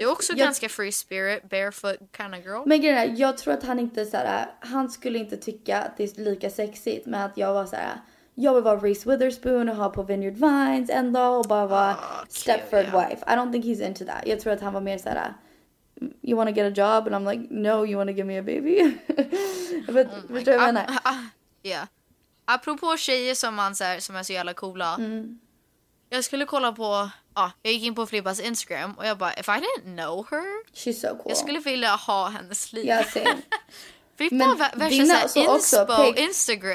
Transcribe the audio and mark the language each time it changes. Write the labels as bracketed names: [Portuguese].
[Swedish] du är också ganska [English] free spirit, barefoot kind of girl. [Swedish] Men grejen är, jag tror att han inte så här, han skulle inte tycka att det är lika sexigt med att jag var så här. Jag vill vara Reese Witherspoon och ha på Vineyard Vines en dag och bara vara Stepford wife. [English] I don't think he's into that. [Swedish] Jag tror att han var mer såhär, [English] you want to get a job? And I'm like, no, you want to give me a baby? [Swedish] But, oh förstår du vad jag menar? Apropå tjejer som man säger som är så jävla coola. Mm. Jag skulle kolla på, jag gick in på Flippas Instagram och jag bara, [English] if I didn't know her. She's so cool. [Swedish] Jag skulle vilja ha hennes liv. [English] Yeah, same. [Swedish] Men dina så också, Instagram.